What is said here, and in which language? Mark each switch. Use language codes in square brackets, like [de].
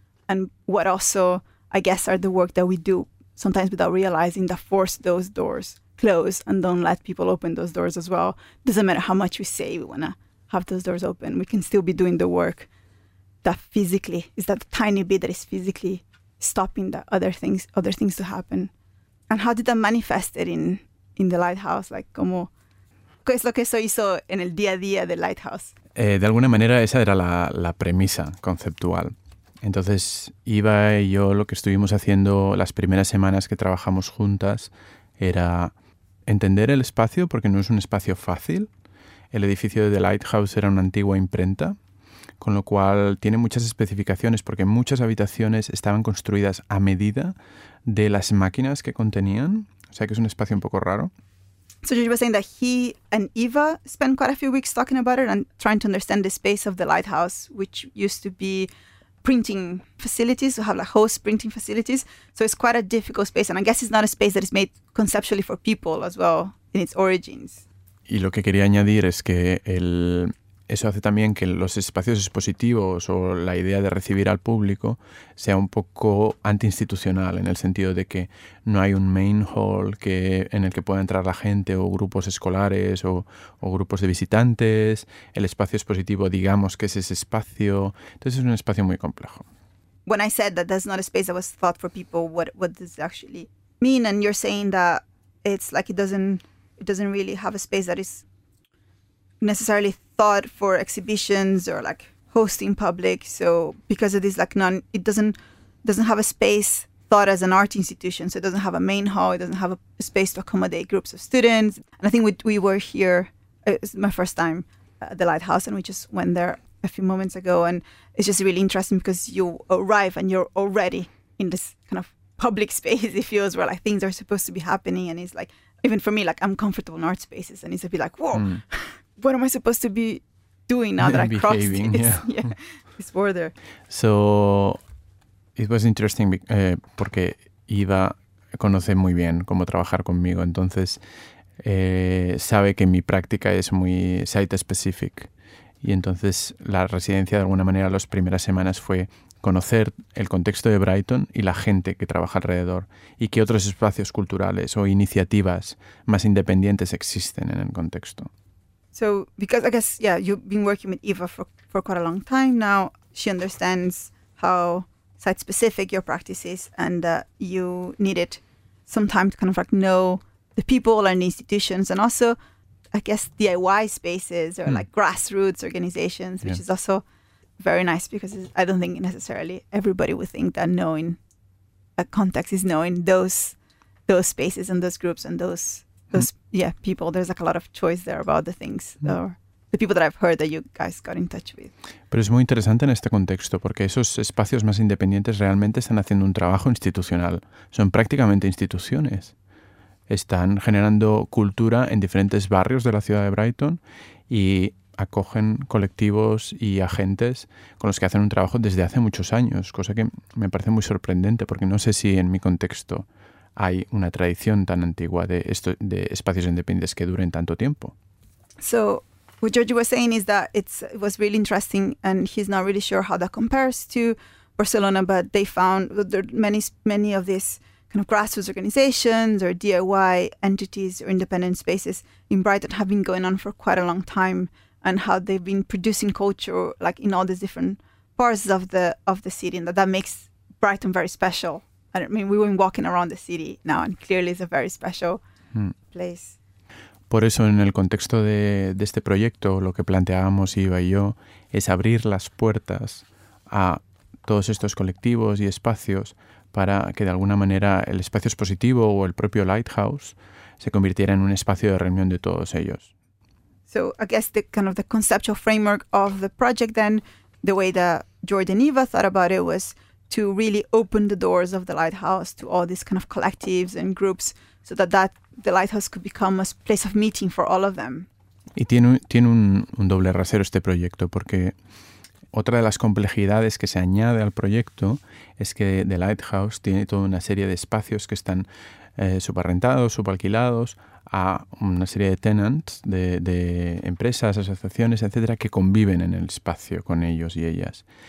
[en] And what also, I guess, are the work that we do sometimes without realizing that force those doors close and don't let people open those doors as well. Doesn't matter how much we say we want to have those doors open, we can still be doing the work that physically is that tiny bit that is physically stopping the other things to happen. And how did that manifest it in the lighthouse? Like, [es] como, ¿qué es lo que eso hizo en el día a día del lighthouse? De alguna manera, esa era la premisa conceptual. Entonces, Iva y yo lo que estuvimos haciendo las primeras semanas que trabajamos juntas era entender el espacio, porque no es un espacio fácil. El edificio de The Lighthouse era una antigua imprenta, con lo cual tiene muchas especificaciones, porque muchas habitaciones estaban construidas a medida de las máquinas que contenían. O sea que es un espacio un poco raro. [en] So you were saying that he and Iva spent quite a few weeks talking about it and trying to understand the space of The Lighthouse, which used to be printing facilities, we have like host printing facilities. So it's quite a difficult space. And I guess it's not a space that is made conceptually for people as well in its origins. [es] Y lo que quería añadir es que eso hace también que los espacios expositivos o la idea de recibir al público sea un poco anti-institucional, en el sentido de que no hay un main hall que, en el que pueda entrar la gente o grupos escolares o grupos de visitantes. El espacio expositivo, digamos que es ese espacio. Entonces es un espacio muy complejo. [en] When I said that that's not a space that was thought for people, what does it actually mean? And you're saying that it's like it doesn't really have a space that is necessarily thought for exhibitions or like hosting public. So because of this, like it doesn't have a space thought as an art institution. So it doesn't have a main hall. It doesn't have a space to accommodate groups of students. And I think we were here, it's my first time at the Lighthouse, and we just went there a few moments ago. And it's just really interesting because you arrive and you're already in this kind of public space, it feels, where like things are supposed to be happening. And it's like, even for me, like I'm comfortable in art spaces and it's a bit like, whoa. What am I supposed to be doing now that I crossed this border? So it was interesting [es] porque Iva conoce muy bien cómo trabajar conmigo. Entonces sabe que mi práctica es muy site-specific. Y entonces la residencia, de alguna manera, las primeras semanas fue conocer el contexto de Brighton y la gente que trabaja alrededor y qué otros espacios culturales o iniciativas más independientes existen en el contexto. [en] So, because I guess, you've been working with Iva for quite a long time now. She understands how site-specific your practice is and that you needed some time to kind of like know the people and the institutions and also, I guess, DIY spaces or like grassroots organizations, which is also very nice because I don't think necessarily everybody would think that knowing a context is knowing those spaces and those groups and those people. There's like a lot of choice there about the things or the people that I've heard that you guys got in touch with. [es] Pero es muy interesante en este contexto porque esos espacios más independientes realmente están haciendo un trabajo institucional. Son prácticamente instituciones. Están generando cultura en diferentes barrios de la ciudad de Brighton y acogen colectivos y agentes con los que hacen un trabajo desde hace muchos años, cosa que me parece muy sorprendente porque no sé si en mi contexto hay una tradición tan antigua de espacios independientes que duren tanto tiempo. [en] So, what George was saying is that it was really interesting and he's not really sure how that compares to Barcelona, but they found there are many of these kind of grassroots organizations or DIY entities or independent spaces in Bright that have been going on for quite a long time, and how they've been producing culture like in all these different parts of the city, and that makes Brighton very special. I mean, we've been walking around the city now, and clearly it's a very special place. [es] Por eso, en el contexto de este proyecto, lo que planteábamos Iba y yo es abrir las puertas a todos estos colectivos y espacios para que, de alguna manera, el espacio expositivo o el propio Lighthouse se convirtiera en un espacio de reunión de todos ellos. [en] So, I guess the kind of the conceptual framework of the project then, the way that Jordan Iva thought about it was to really open the doors of the Lighthouse to all these kind of collectives and groups, so that, that the Lighthouse could become a place of meeting for all of them. [es] Y tiene un doble rasero este proyecto, porque otra de las complejidades que se añade al proyecto es que The Lighthouse tiene toda una serie de espacios que están subarrendados, subalquilados a una serie de tenants, de empresas, asociaciones, etcétera, que conviven en el espacio con ellos y ellas.